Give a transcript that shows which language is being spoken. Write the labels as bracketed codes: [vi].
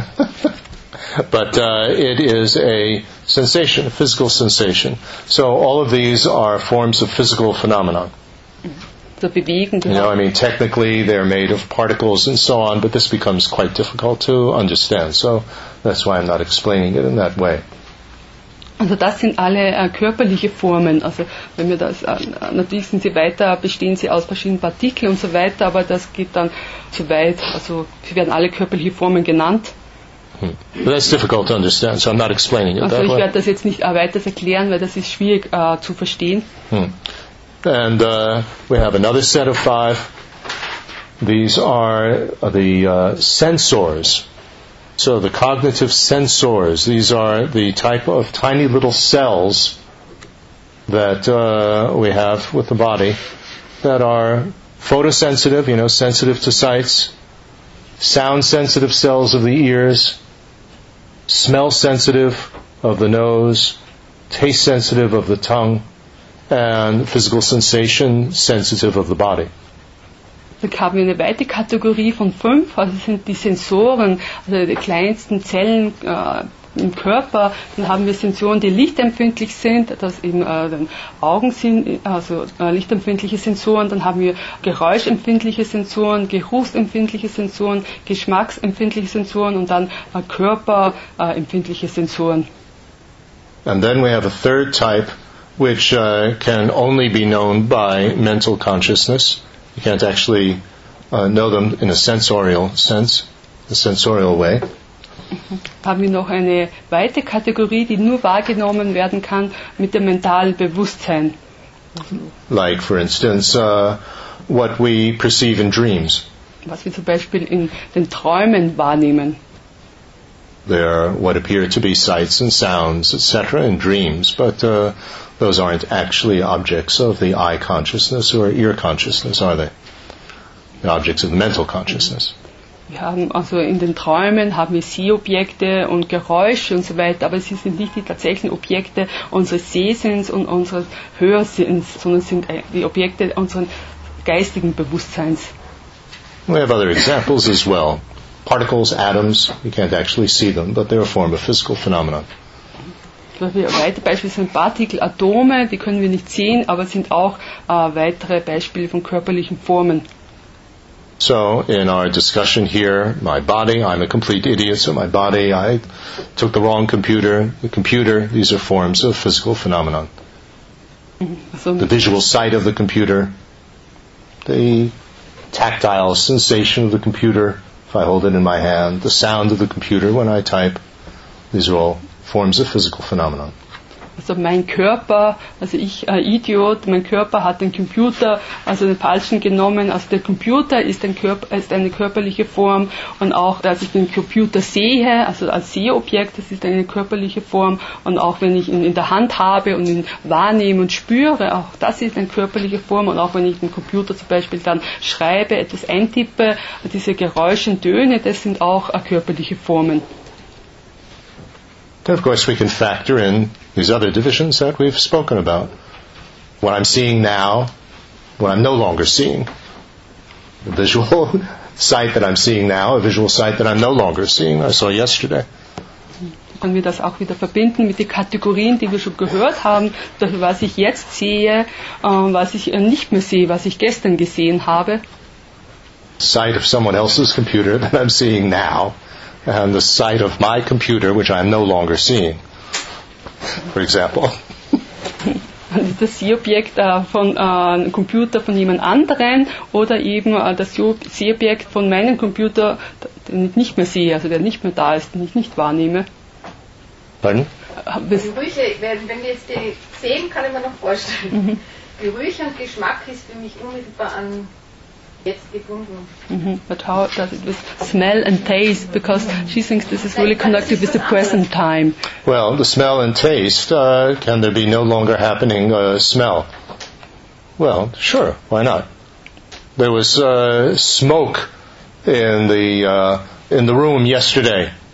[en] But it is a sensation, a physical sensation. So all of these are forms of physical phenomenon. So bewegen, you know, I mean, technically they're made of particles and so on, but this becomes quite difficult to understand. So that's why I'm not explaining it in that way. [de] Also das sind alle körperliche Formen. Also wenn wir das natürlich sind sie weiter, bestehen sie aus verschiedenen Partikeln und so weiter, aber das geht dann zu weit. Also sie werden alle körperliche Formen genannt. Hmm. [en] That's difficult to understand, so I'm not explaining it [de] also [en] that way. [de] Also ich werde das jetzt nicht weiter erklären, weil das ist schwierig zu verstehen. [en] Hmm. And we have another set of 5. These are the sensors. So the cognitive sensors, these are the type of tiny little cells that we have with the body that are photosensitive, you know, sensitive to sights, sound-sensitive cells of the ears, smell-sensitive of the nose, taste-sensitive of the tongue, and physical sensation-sensitive of the body. [de] Dann haben wir eine weite Kategorie von 5, also sind die Sensoren, also die kleinsten Zellen im Körper. Dann haben wir Sensoren, die lichtempfindlich sind, das eben den Augen sind, also lichtempfindliche Sensoren. Dann haben wir geräuschempfindliche Sensoren, geruchsempfindliche Sensoren, geschmacksempfindliche Sensoren und dann körperempfindliche Sensoren. [en] And then we have a third type, which can only be known by mental consciousness. You can't actually know them in a sensorial sense, a sensorial way. [de] Haben wir noch eine weite Kategorie, die nur wahrgenommen werden kann mit dem mentalen Bewusstsein. [en] Like, for instance, what we perceive in dreams. [de] Was wir zum Beispiel in den Träumen wahrnehmen. [en] There are what appear to be sights and sounds, etc., in dreams, but those aren't actually objects of the eye consciousness or ear consciousness, are they? The objects of the mental consciousness. [de] Wir haben also in den Träumen haben wir Sehobjekte und Geräusche und so weiter, aber sie sind nicht die tatsächlichen Objekte unseres Sehsinns und unseres Hörsinns, sondern sind die Objekte unseres geistigen Bewusstseins. [en] We have other examples as well. Particles, atoms, you can't actually see them, but they're a form of physical phenomenon. [de] Weitere Beispiele sind Partikel, Atome, die können wir nicht sehen, aber sind auch weitere Beispiele von körperlichen Formen. [en] So, in our discussion here, my body, I'm a complete idiot, so my body, I took the wrong computer, the computer, these are forms of physical phenomenon. The visual sight of the computer, the tactile sensation of the computer, if I hold it in my hand, the sound of the computer when I type, these are all forms of physical phenomenon. [de] Also mein Körper, also ich, Idiot, mein Körper hat den Computer, also den falschen genommen, also der Computer ist, ein Körper, ist eine körperliche Form und auch, dass ich den Computer sehe, also als Sehobjekt, das ist eine körperliche Form und auch wenn ich ihn in der Hand habe und ihn wahrnehme und spüre, auch das ist eine körperliche Form und auch wenn ich den Computer zum Beispiel dann schreibe, etwas eintippe, diese Geräusche und Töne, das sind auch körperliche Formen. [en] Then of course we can factor in these other divisions that we've spoken about. What I'm seeing now, what I'm no longer seeing. The visual sight that I'm seeing now, a visual sight that I'm no longer seeing, I saw yesterday. [de] Können wir das auch wieder verbinden mit den Kategorien, die wir schon gehört haben, was ich jetzt sehe, was ich nicht mehr sehe, was ich gestern gesehen habe. [en] Sight of someone else's computer that I'm seeing now. And the sight of my computer, which I am no longer seeing, for example. [de] Und das Sehobjekt von einem Computer von jemand anderen oder eben das Sehobjekt von meinem Computer, den ich nicht mehr sehe, also der nicht mehr da ist, den ich nicht wahrnehme. [en] Pardon? [de] Gerüche, wenn wir jetzt die sehen, kann ich mir noch vorstellen. Mhm. Gerüche und Geschmack ist für mich unmittelbar an... Mm-hmm. [en] But how does it with smell and taste? Because she thinks this is really connected with the present time. Well, the smell and taste, can there be no longer happening smell? Well, sure, why not? There was smoke in the room yesterday.